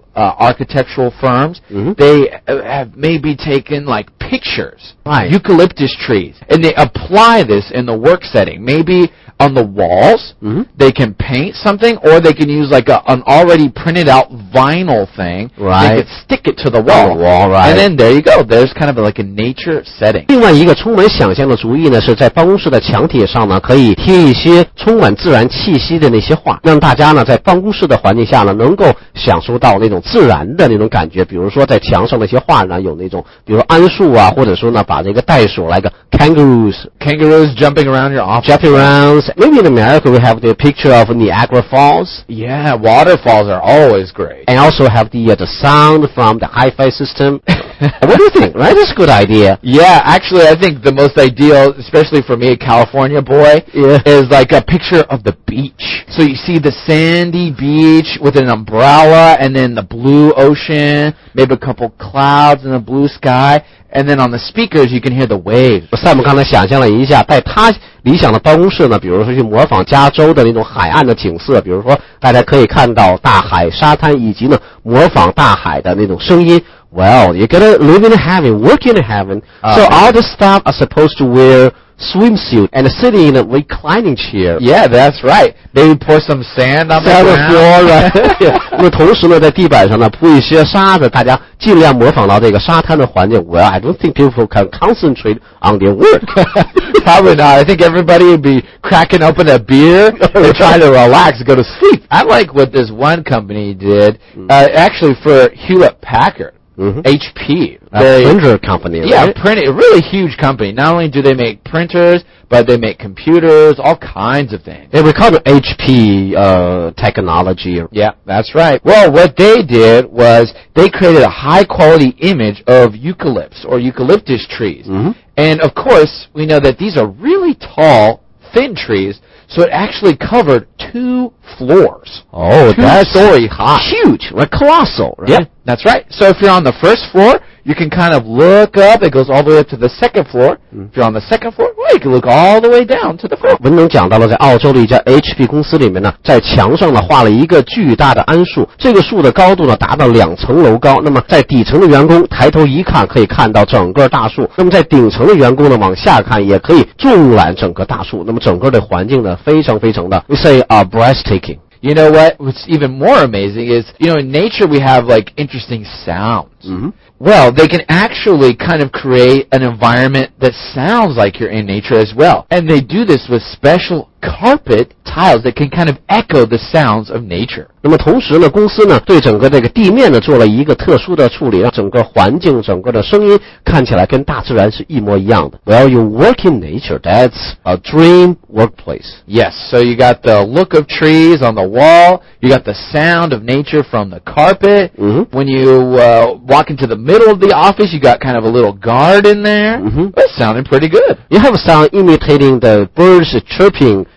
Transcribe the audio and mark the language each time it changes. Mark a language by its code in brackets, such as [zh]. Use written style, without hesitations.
[en] architectural firms, they have maybe taken like pictures, right. Eucalyptus trees, and they apply this in the work setting. Maybe on the walls, they can paint something, or they can use like an already printed out vinyl thing. Right. They could stick it to the wall. The wall, right. And then there you go. There's kind of like a nature setting. [zh] 另外一个充满想象的主意呢，是在办公室的墙体上呢，可以贴一些充满自然气息的那些画，让大家呢在办公室的环境下呢，能够享受到那种自然的那种感觉。比如说在墙上那些画呢，有那种比如桉树啊，或者说呢把这个袋鼠来个 kangaroos [en] jumping around your office, jumping around. Maybe in America we have the picture of Niagara Falls. Yeah, waterfalls are always great. And also have the sound from the hi-fi system. What do you think? Right, that's a good idea. Yeah, actually I think the most ideal, especially for me, a California boy, is like a picture of the beach. So you see the sandy beach with an umbrella and then the blue ocean, maybe a couple clouds and a blue sky. And then on the speakers, you can hear the waves. [zh] Sam 刚才想象了一下，在他理想的办公室呢，比如说去模仿加州的那种海岸的景色，比如说大家可以看到大海、沙滩，以及呢模仿大海的那种声音。 [en] Well, you're gonna live in heaven, work in heaven. So all the staff are supposed to wear swimsuit and sitting in a reclining chair. Yeah, that's right. Maybe pour some sand on the floor, right? [zh] 那同时呢，在地板上呢铺一些沙子，大家。尽量模仿到这个沙滩的环境。 [en] Well, I don't think people can concentrate on their work. Probably not. I think everybody would be cracking open a beer and trying to relax and go to sleep. I like what this one company did. Actually, for Hewlett Packard, HP. Printer company, right? Yeah, a really huge company. Not only do they make printers, but they make computers, all kinds of things. Yeah, we call it HP technology. Yeah, that's right. Well, what they did was they created a high-quality image of eucalypts or eucalyptus trees. And, of course, we know that these are really tall, thin trees, so it actually covered two floors. Oh, two that's story high. Huge, like colossal, right? Yeah, that's right. So if you're on the first floor, you can kind of look up. It goes all the way up to the second floor. If you're on the second floor, well, you can look all the way down to the floor. [zh] 文能讲到了在澳洲的一家 HP 公司里面呢，在墙上呢画了一个巨大的桉树，这个树的高度呢达到两层楼高。那么在底层的员工抬头一看，可以看到整个大树。那么在顶层的员工呢往下看，也可以纵览整个大树。那么整个的环境呢非常非常的 ， [en] we say are breathtaking。 You know what? What's even more amazing is, you know, in nature we have like interesting sounds. Mm-hmm. Well, they can actually kind of create an environment that sounds like you're in nature as well. And they do this with special carpet tiles that can kind of echo the sounds of nature. [zh] 那么同时呢，公司呢对整个这个地面呢做了一个特殊的处理，让整个环境、整个的声音看起来跟大自然是一模一样的。 [en] Well, you work in nature. That's a dream workplace. Yes. So you got the look of trees on the wall. You got the sound of nature from the carpet. Mm-hmm. When you walk into the middle of the office, you got kind of a little garden there. Mm-hmm. That's sounding pretty good. You have a sound imitating the birds chirping.